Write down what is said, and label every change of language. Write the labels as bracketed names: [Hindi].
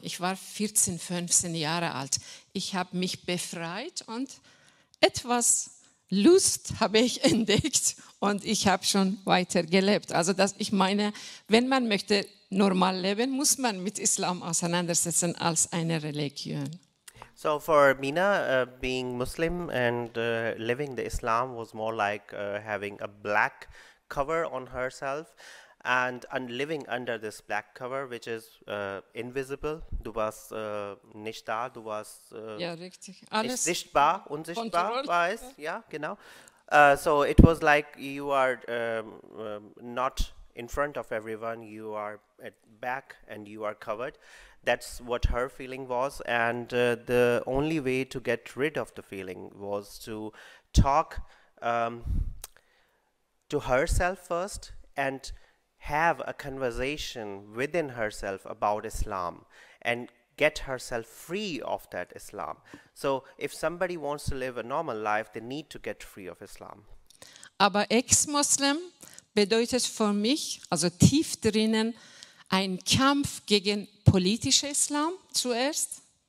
[German] Ich war 14, 15 Jahre alt. Ich habe mich befreit und etwas Lust habe ich entdeckt und ich habe schon weiter gelebt. Also das, ich meine, wenn man möchte normal leben, muss man mit Islam auseinandersetzen als eine Religion. [English] So for Mina, being Muslim and living the Islam was more like having a black cover on herself and living under this black cover, which is invisible. [German] Du warst nicht da, du warst nicht sichtbar, unsichtbar war es. Ja, genau. [English] So it was like you are not in front of everyone, you are at back and you are covered. That's what her feeling was, and the only way to get rid of the feeling was to talk to herself first and have a conversation within herself about Islam and get herself free of that Islam. So if somebody wants to live a normal life, they need to get free of Islam. [German] Aber ex-Muslim bedeutet für mich, also tief drinnen, ein Kampf gegen politischer Islam zuerst.